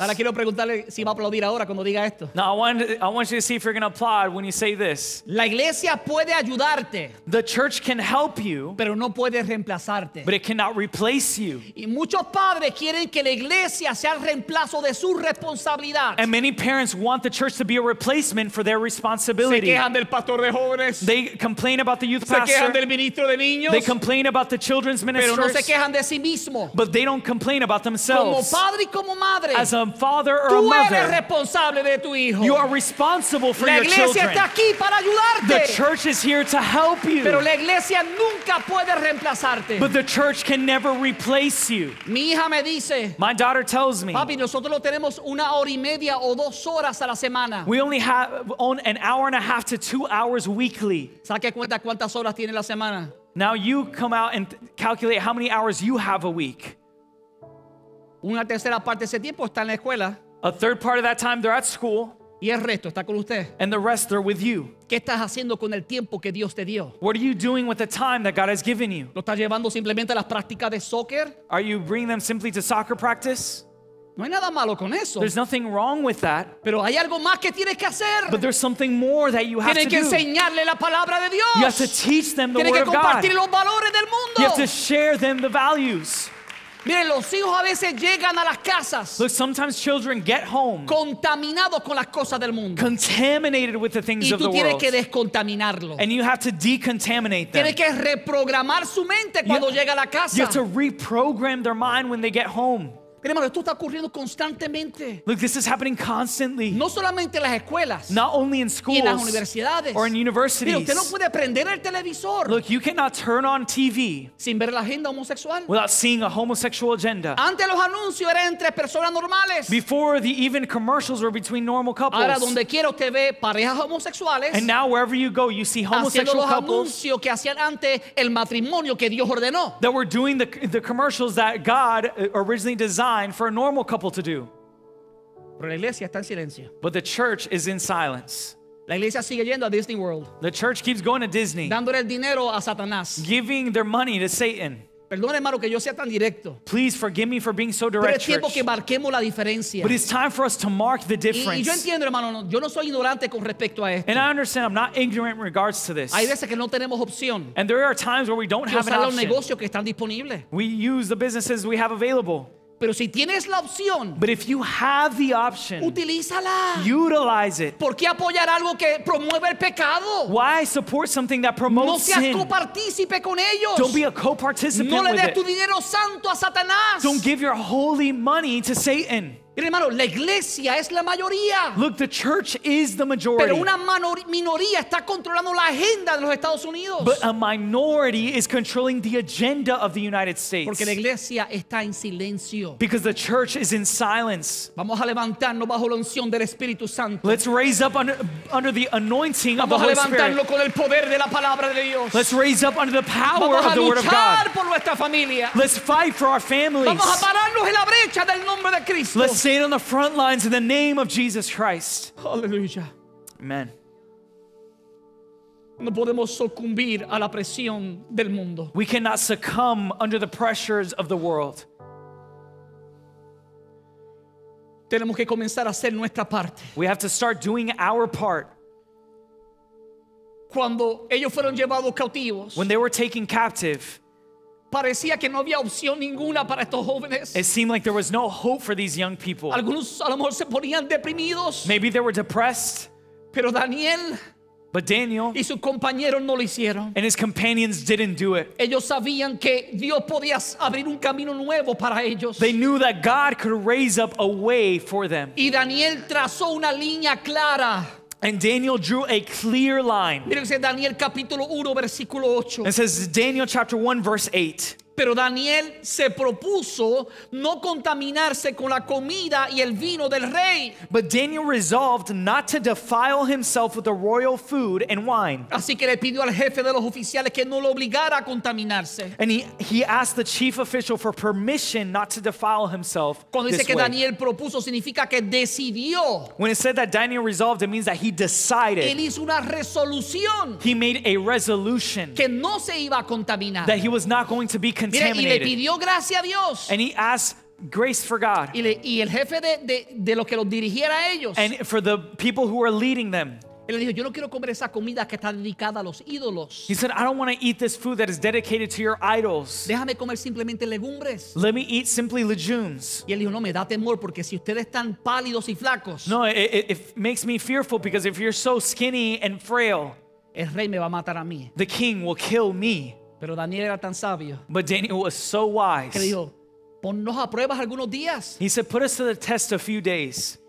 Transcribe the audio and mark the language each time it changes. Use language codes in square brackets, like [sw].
[es] Ahora quiero preguntarle si va a aplaudir ahora cuando diga esto. [en] Now I want you to see if you're going to applaud when you say this. [es] La iglesia puede ayudarte. [en] The church can help you. [es] Pero no puede reemplazarte. [en] But it cannot replace you. [es] Y muchos padres quieren que la iglesia sea el reemplazo de su responsabilidad. [en] And many parents want the church to be a replacement for their responsibility. [es] Se quejan del pastor de jóvenes. [en] They complain about the youth [es] se [en] pastor. [es] Se quejan del ministro de niños. [en] They complain about the children's ministers. [es] Pero no se quejan de sí mismo. [en] But they don't complain about themselves. [es] Como padre y como madre, [en] as a father or a mother, [es] eres responsable de tu hijo. [en] You are responsible for [es] la iglesia [en] your children. [es] Está aquí para ayudarte. [en] The church is here to help you. [es] Pero la iglesia nunca puede reemplazarte. [en] But the church can never replace you. [es] Mi hija me dice, [en] my daughter tells me, [es] papi, nosotros lo tenemos una hora y media o dos horas a la semana. [en] We only have on an hour and a half to 2 hours weekly. [es] Saque cuenta cuántas horas tiene la semana. [en] Now you come out and calculate how many hours you have a week. [es] Una tercera parte de ese tiempo está en la escuela. [en] A third part of that time they're at school. [es] Y el resto está con usted. [en] And the rest they're with you. [es] ¿Qué estás haciendo con el tiempo que Dios te dio? [en] What are you doing with the time that God has given you? [es] ¿Lo estás llevando simplemente a las prácticas de soccer? [en] Are you bringing them simply to soccer practice? [es] No hay nada malo con eso. [en] There's nothing wrong with that. [es] Pero hay algo más que tienes que hacer. [en] But there's something more that you have [es] tienes [en] to do. [es] Tienes que enseñarle la palabra de Dios. [en] You have to teach them the [es] tienes [en] word of God. [es] Tienes que compartir los valores del mundo. [en] You have to share them the values. [es] Miren, los hijos a veces llegan a las casas. [en] Look, sometimes children get home [es] contaminados con las cosas del mundo. [en] Contaminated with the things of the world. [es] Y tú tienes que descontaminarlo. [en] And you have to decontaminate them. [es] Tienes que reprogramar su mente cuando llega a la casa. [en] You have to reprogram their mind when they get home. [es] Miren, hermano, esto está ocurriendo constantemente. [en] Look, this is happening constantly. [es] No solamente en las escuelas. [en] Not only in schools. [es] Y en las universidades. [en] Or in universities. [es] Miren, usted no puede prender el televisor. [en] Look, you cannot turn on TV. [es] Sin ver la agenda homosexual. [en] Without seeing a homosexual agenda. [es] Antes los anuncios eran entre personas normales. [en] Before the even commercials were between normal couples. [es] Ahora donde quiera usted ve parejas homosexuales. [en] And now wherever you go, you see homosexual couples. [es] Haciendo los anuncios que hacían antes el matrimonio que Dios ordenó. [en] That were doing the commercials that God originally designed for a normal couple to do. [es] Pero la iglesia está en silencio. [en] But the church is in silence. [es] La iglesia sigue yendo a Disney World. [en] The church keeps going to Disney. [es] Dándole el dinero a Satanás. [en] Giving their money to Satan. [es] Perdón, hermano, que yo sea tan directo. [en] Please forgive me for being so direct. [es] Pero es tiempo que marquemos la diferencia. [en] But it's time for us to mark the difference. [es] Y yo entiendo, hermano, no, yo no soy ignorante con respecto a esto. [en] And I understand, I'm not ignorant in regards to this. [es] Hay veces que no tenemos opción. [en] And there are times where we don't have an option. [es] Usar los negocios que están disponibles. [en] We use the businesses we have available. [es] Pero si tienes la opción, [en] but if you have the option, [es] utilízala. [en] Utilize it. [es] ¿Por qué apoyar algo que promueve el pecado? [en] Why support something that promotes sin? [es] No seas copartícipe con ellos. [en] Don't be a co-participant with it. [es] No le des tu dinero santo a Satanás. [en] Don't give your holy money to Satan. [es] Mira, hermano, la iglesia es la mayoría. [en] Look, the church is the majority. [es] Pero una minoría está controlando la agenda de los Estados Unidos. [en] But a minority is controlling the agenda of the United States. [es] Porque la iglesia está en silencio. [en] Because the church is in silence. [es] Vamos a levantarnos bajo la unción del Espíritu Santo. [en] Let's raise up under the anointing [es] vamos [en] of the Holy Spirit. [es] Vamos a levantarnos Con el poder de la palabra de Dios. [en] Let's raise up under the power [es] vamos [en] of the Word of God. [es] Vamos a luchar por nuestra familia. [en] Let's fight for our families. [es] Vamos a pararnos en la brecha del nombre de Cristo. [en] Let's stand on the front lines in the name of Jesus Christ. Hallelujah. Amen. [es] No podemos sucumbir a la presión del mundo. [en] We cannot succumb under the pressures of the world. [es] Tenemos que comenzar a hacer nuestra parte. [en] We have to start doing our part. [es] cuando ellos fueron llevados cautivos, [en] when they were taken captive, [es] parecía que no había opción ninguna para estos jóvenes. [en] It seemed like there was no hope for these young people. [es] Algunos a lo mejor se ponían deprimidos. [en] Maybe they were depressed. [es] Pero Daniel, [en] but Daniel [es] y sus compañeros no lo hicieron. [en] And his companions didn't do it. [es] Ellos sabían que Dios podía abrir un camino nuevo para ellos. [en] They knew that God could raise up a way for them. [es] Y Daniel trazó una línea clara. [en] And Daniel drew a clear line. [es] Mira, dice Daniel capítulo 1 versículo 8. [en] It says Daniel chapter 1 verse 8. [es] Pero Daniel se propuso no contaminarse con la comida y el vino del rey. [en] But Daniel resolved not to defile himself with the royal food and wine. [es] Así que le pidió al jefe de los oficiales que no lo obligara a contaminarse. [en] And he asked the chief official for permission not to defile himself. [es] Cuando dice que [en] way. [es] Daniel propuso significa que decidió. [en] When it said that Daniel resolved, it means that he decided. [es] Él hizo una resolución. [en] He made a resolution. [es] Que no se iba a contaminar. [en] That he was not going to be contaminated. [es] Mira, y le pidió gracia a Dios. [en] And he asked grace for God. [es] Y, le, y el jefe de lo que los dirigiera a ellos. [en] And for the people who were leading them. [es] Él le dijo, yo no quiero comer esa comida que está dedicada a los ídolos. [en] He said, I don't want to eat this food that is dedicated to your idols. [es] Déjame comer simplemente legumbres. [en] Let me eat simply legumes. [es] Y él dijo, no, me da temor porque si ustedes están pálidos y flacos. [en] No, it makes me fearful because if you're so skinny and frail. [es] El rey me va a matar a mí. [en] The king will kill me. [es] Pero Daniel era tan sabio. [en] But Daniel was so wise. [es] Que dijo, ponnos a pruebas algunos días. [en] He said, put us to the test a few days.